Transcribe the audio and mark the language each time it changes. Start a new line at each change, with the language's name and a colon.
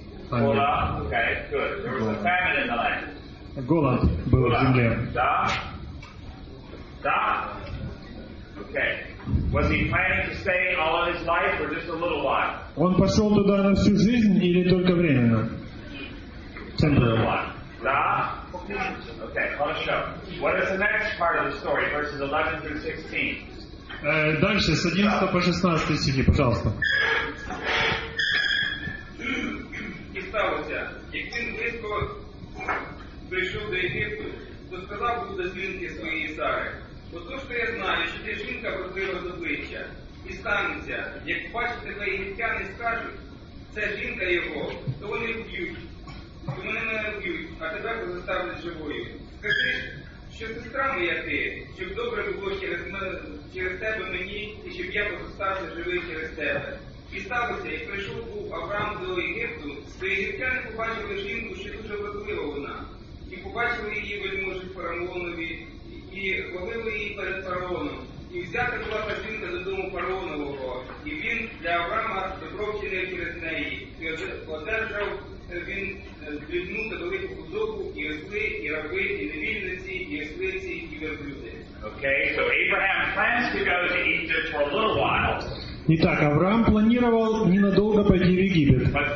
English: Well, okay, good. There was a famine in the land.
Russian: Голод был в земле. Да. Да. Okay.
English: Was he planning to stay all of his life or just a little while?
Russian: Он пошел туда на всю жизнь или только временно?
English: Temporary.
Russian: Да.
English: Okay.
Russian: Хорошо.
English: What is the next part of the story, verses 11 through 16?
Russian: Дальше, с 11 по 16 стихи, пожалуйста.
Ukrainian: И стало тебя. И сын близко пришел до Египта, то сказал Буда свинке своей Сары, вот то, что я знаю, что ты жинка вродлива добыча, и станется, як бачите на египтяне скажут, це жінка його, то вони вб'ють, то мене не вб'ють, а тебе позаставлять живою. Скажи, що сестра моя ти, щоб добре було через тебе мені, і щоб я позаставився живий через тебе. І сталося, як прийшов був Авраам до Єгипту, то єгиптяни побачили жінку, що дуже вродлива вона. І побачили її вельможі фараонові, і ловили її перед фараоном. І взята була та жінка додому фараонового, і він для Авраама добро вчинив через неї. І одержав він людну та велику худобу, і осли, і раби, і невільниці, і ослиці, і верблюди.
English: Okay, so Abraham plans to go to Egypt for a little while.
Russian: Итак, Авраам планировал ненадолго пойти в Египет.